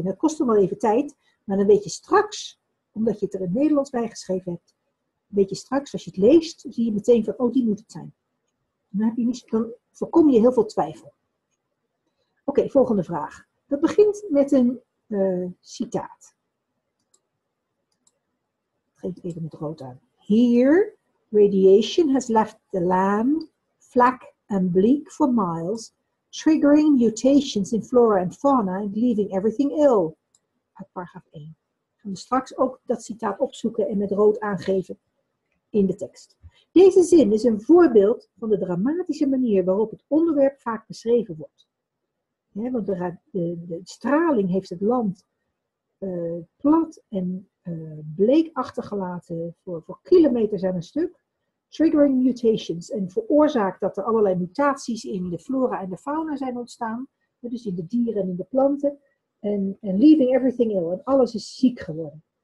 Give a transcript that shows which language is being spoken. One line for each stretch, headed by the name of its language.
Dutch: En dat kost dan wel even tijd, maar dan weet je straks, omdat je het er in het Nederlands bij geschreven hebt, weet je straks, als je het leest, zie je meteen van, oh, die moet het zijn. Dan voorkom je heel veel twijfel. Oké, volgende vraag. Dat begint met een citaat. Even met rood aan.
English: Here, radiation has left the land flat and bleak for miles, triggering mutations in flora and fauna and leaving everything ill.
Dutch: Uit paragraaf 1. Gaan we straks ook dat citaat opzoeken en met rood aangeven in de tekst. Deze zin is een voorbeeld van de dramatische manier waarop het onderwerp vaak beschreven wordt. Ja, want de straling heeft het land plat en bleek achtergelaten voor kilometers aan een stuk,
English: triggering mutations
Dutch: en veroorzaakt dat er allerlei mutaties in de flora en de fauna zijn ontstaan, dus in de dieren en in de planten, en
English: leaving everything ill,
Dutch: en alles is ziek geworden.